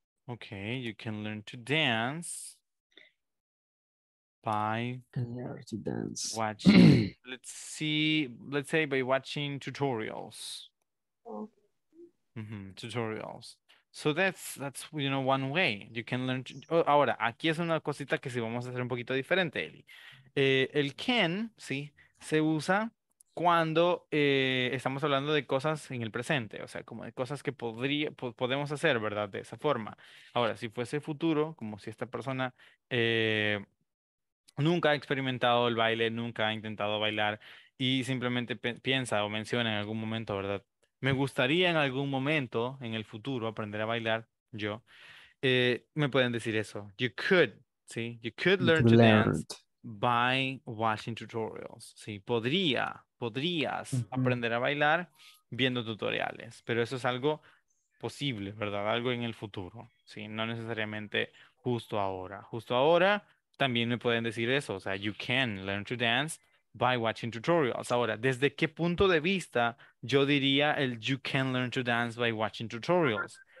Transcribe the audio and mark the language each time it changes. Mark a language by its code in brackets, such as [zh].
[en] Okay, you can learn to dance. By dance. Watching, let's say by watching tutorials. Mm-hmm. Tutorials. So that's you know, one way you can learn. [es] Ahora, aquí es una cosita que sí vamos a hacer un poquito diferente, Eli. El can, sí, se usa cuando estamos hablando de cosas en el presente, o sea, como de cosas que podemos hacer, ¿verdad? De esa forma. Ahora, si fuese futuro, como si esta persona nunca ha experimentado el baile, nunca ha intentado bailar y simplemente piensa o menciona en algún momento, ¿verdad? Me gustaría en algún momento, en el futuro, aprender a bailar, yo, me pueden decir eso. [en] You could, ¿sí? You could learn to dance by watching tutorials. [es] Sí, podrías uh-huh. aprender a bailar viendo tutoriales, pero eso es algo posible, ¿verdad? Algo en el futuro, ¿sí? No necesariamente justo ahora. Justo ahora también me pueden decir eso, o sea, [en] you can learn to dance by watching tutorials. [es] Ahora, ¿desde qué punto de vista yo diría el [en] you can learn to dance by watching tutorials?